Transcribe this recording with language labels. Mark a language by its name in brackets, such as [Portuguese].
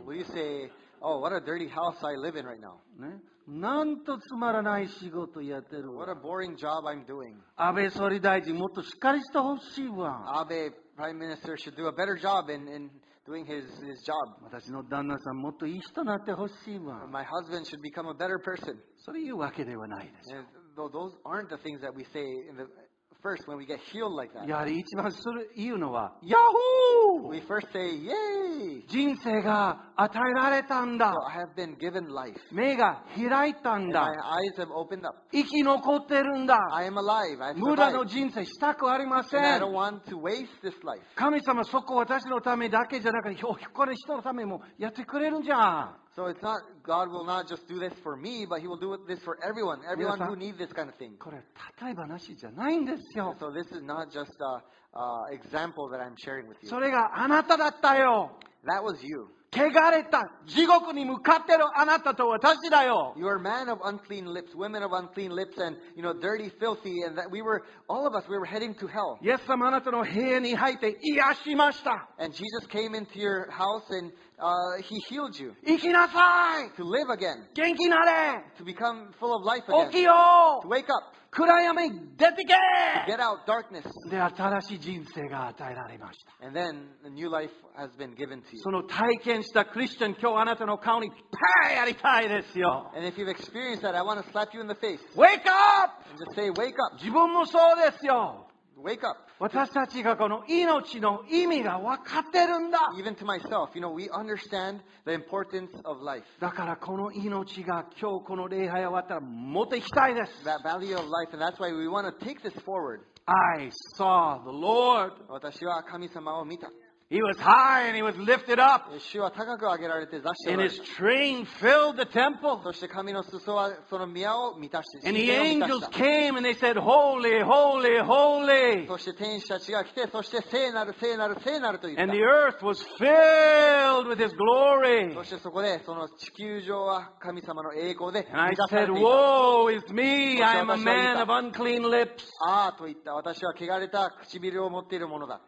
[English] Will you say,Oh, what a dirty house I live in right now. [Japanese] ね、なんとつまらない仕事やってる。 [English] What a boring job I'm doing. [Japanese] 安倍総理大臣もっとしっかりしてほしいわ。 [English] 安倍Prime Minister should do a better job in doing his job. [Japanese] 私の旦那さんもっといい人になってほしいわ。 [English] My husband should become a better person. [Japanese] それ言うわけではないでしょ。 [English] Though those aren't the things that we say in the first when we get healed like that. [Japanese] やはり一番それ言うのは、Yahoo! [English] We first say, Yay! [Japanese] 人生が与えられたんだ。 [English] So、I have been given life. [Japanese] 目が開いたんだ。 [English] And、my eyes have opened up. [Japanese] 生き残ってるんだ。 [English] I am alive. I survived. [Japanese] 無駄の人生したくありません。 [English] And、I don't want to waste this life. [Japanese] 神様そこ私のためだけじゃなくて、他の人のためもやってくれるんじゃん。 [English] So it's not God will not just do this for me, but He will do this for everyone, everyone who needs this kind of thing. [Japanese] これは例え話じゃないんですよ。 [English] So this is not just an example that I'm sharing with you. [Japanese] それがあなただったよ。 [English] That was you. [Japanese] 汚れた地獄に向かってるあなたと私だよ。 [English] You are man of unclean lips, women of unclean lips, and you know dirty, filthy, and that we were all of us. We were heading to hell. Yes, [Japanese] あなたの部屋に入って癒しました。 [English] And Jesus came into your house andHe healed you. [Japanese] 生きなさい。 [English] To live again. [Japanese] 元気なれ。 [English] To become full of life again. [Japanese] 起きよう。 [English] To wake up. [Japanese] 暗闇出てけ。 [English] To get out darkness. [Japanese] で新しい人生が与えられました。 [English] And then a new life has been given to you. [Japanese] その体験したクリスチャン今日あなたの顔にパーやりたいですよ。 [English] And if you've experienced that, I want to slap you in the face. Wake up. And just say, wake up. [Japanese] 自分もそうですよ。 [English] Wake up. [Japanese] 私たちがこの命の意味が分かってるんだ。 [English] Even to myself, you know, we understand the importance of life. [Japanese] だからこの命が今日この礼拝終わったら持っていきたいです。 [English] That value of life, and that's why we want to take this forward. I saw the Lord. [Japanese] 私は神様を見た。 [English] He was high and he was lifted up. [Japanese] 主は高く上げられて座して。 [English] And his train filled the temple. [Japanese] そして神の裾はその宮を満たして。 [English] And the angels came and they said, Holy, holy, holy. [Japanese] そして天使たちが来て、そして聖なる、聖なる、聖なると言った。 [English] And the earth was filled with his glory. [Japanese] そしてそこでその地球上は神様の栄光で満たされていた。 [English] And I said, Woe is me, I am a man of unclean lips. [Japanese] ああと言った。私は汚れた唇を持っているものだ。